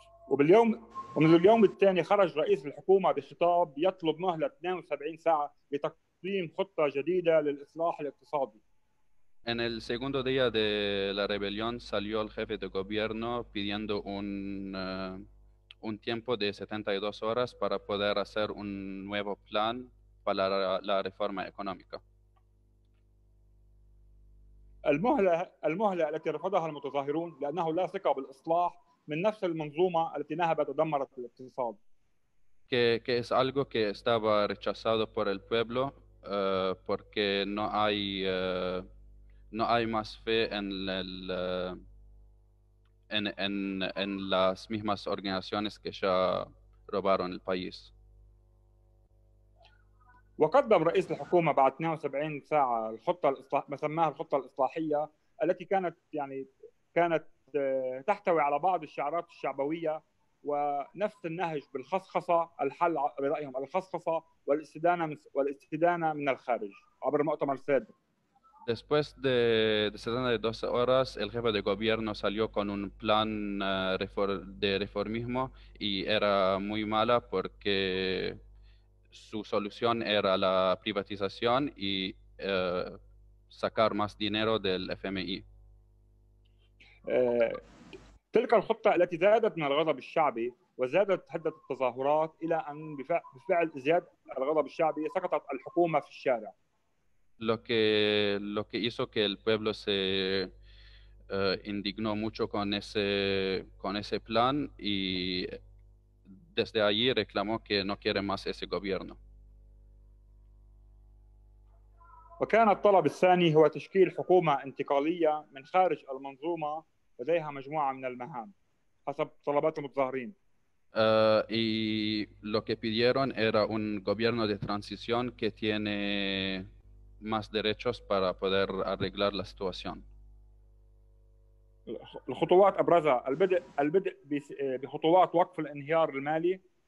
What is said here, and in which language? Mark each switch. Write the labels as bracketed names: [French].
[Arabic] وباليوم ومنذ اليوم الثاني خرج رئيس الحكومة بخطاب يطلب مهلة 72 ساعة لتقديم خطة جديدة للإصلاح الاقتصادي. [Spanish] En el segundo día de la rebelión salió el jefe de gobierno pidiendo un tiempo de 72 horas para poder hacer un nuevo plan para la reforma económica. [Arabic] المهلة التي رفضها المتظاهرون لأنه لا ثقة بالإصلاح من نفس المنظومة التي نهبت ودمرت الاقتصاد. [Spanish] Que es algo que estaba rechazado por el pueblo porque no hay más fe en las mismas organizaciones que ya robaron el país. [Arabic] وقدم رئيس الحكومة بعد 72 ساعة الخطة ما سماها الخطة الإصلاحية التي كانت تحتوي على بعض الشعارات الشعبوية ونفس النهج بالخصخصة الحل برأيهم الخصخصة والاستدانة من الخارج عبر مؤتمر السادة. [Spanish] Después de 72 horas, el jefe de gobierno salió con un plan de reformismo y era muy mala porque su solución era la privatización y sacar más dinero del FMI. [Arabic] تلك الخطة التي زادت من الغضب الشعبي وزادت حدة التظاهرات إلى أن بفعل زيادة الغضب الشعبي سقطت الحكومة في الشارع. [Spanish] Lo que hizo que el pueblo se indignó mucho con ese plan y desde allí reclamó que no quiere más ese gobierno. [Arabic] وكان الطلب الثاني هو تشكيل حكومة انتقالية من خارج المنظومة لديها مجموعة من المهام حسب طلبات المتظاهرين. [Spanish] Y lo que pidieron era un gobierno de transición que tiene más derechos para poder arreglar la situación. [Arabic] الخطوات أبرزها البدء بخطوات وقف الانهيار المالي.